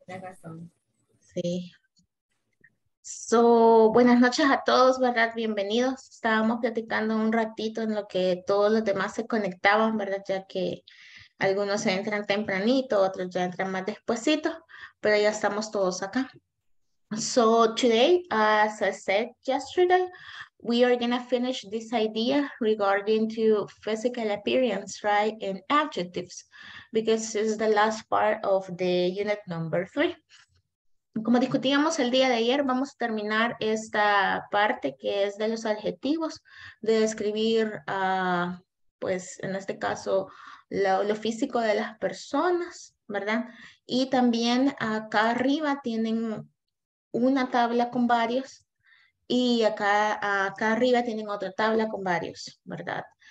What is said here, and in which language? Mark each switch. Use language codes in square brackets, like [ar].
[es] tienes razón. Sí. So, buenas noches a todos, ¿verdad? Bienvenidos. Estábamos platicando un ratito en lo que todos los demás se conectaban, ¿verdad? Ya que algunos entran tempranito, otros ya entran más despuesito, pero ya estamos todos acá. [en] So today, as I said yesterday, we are going to finish this idea regarding to physical appearance, right, and adjectives, because this is the last part of the unit number 3. [es] Como discutíamos el día de ayer, vamos a terminar esta parte que es de los adjetivos, de describir, pues en este caso, lo físico de las personas, ¿verdad? Y también acá arriba tienen una tabla con varios y acá arriba tienen otra tabla con varios, ¿verdad?